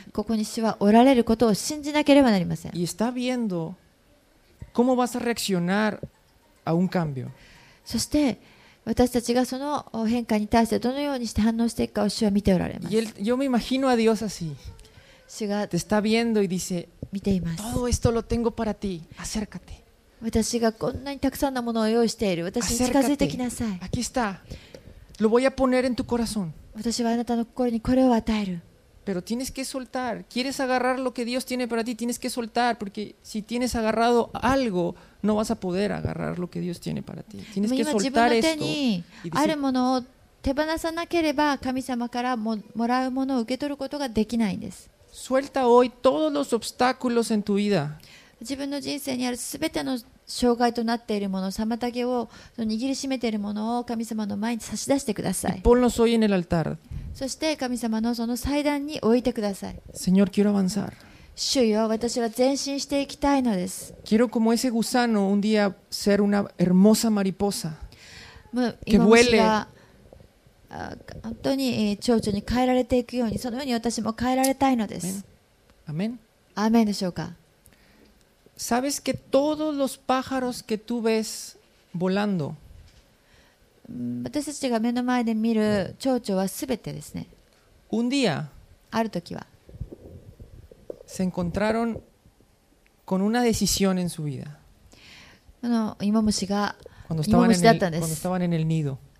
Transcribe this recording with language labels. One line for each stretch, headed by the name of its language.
Japanese: ここに主はおられることを信じなければなりません。
Spanish: Y está viendo cómo vas a reaccionar a un cambio.
Japanese: そして私たちがその変化に対してどのようにして反応していくかを主は見ておられます。
Spanish: Y él, yo me imagino a Dios así.
Japanese: 主が
Spanish: て está viendo y dice,
Japanese: 見ています。
Spanish: Todo esto lo tengo para ti. Acércate.
Japanese: 私がこんなにたくさんのものを用意している。私に近づいてきなさい。
Spanish: Aquí está. Lo voy a poner en tu corazón.
Japanese: 私はあなたの心にこれを与える。
Spanish: Pero tienes que soltar. Quieres agarrar lo que Dios tiene para ti, tienes que soltar. Porque si tienes agarrado algo, no vas a poder agarrar lo que Dios tiene para ti. Tienes que soltar esto.
Japanese: 今自分の手にあるものを手放さなければ神様からもらうものを受け取ることができないんです。
Spanish: Suelta hoy todos los obstáculos en tu vida.
Japanese: 自分の人生にあるすべての障害となっているもの、妨げを握りしめているものを神様の前に差し出してください。そして神様のその祭壇に置いてください。
Spanish: Señor, quiero avanzar.
Japanese: 主よ、私は前進していきたいのです。
Spanish: Quiero como ese gusano un día ser una hermosa mariposa. Que vuele.
Japanese: 本当に蝶々に変えられていくように、そのように私も変えられたいのです。アメン。アーメンでしょうか。
Spanish: Sabes que todos los pájaros que tú ves volando,
Japanese: 私たちが目の前で見る蝶々はすべてですね。
Spanish: Un día,
Japanese: ある時は、
Spanish: se encontraron con una decisión en su vida.
Japanese: このイモムシが、
Spanish: cuando estaban en el, cuando estaban en el nido.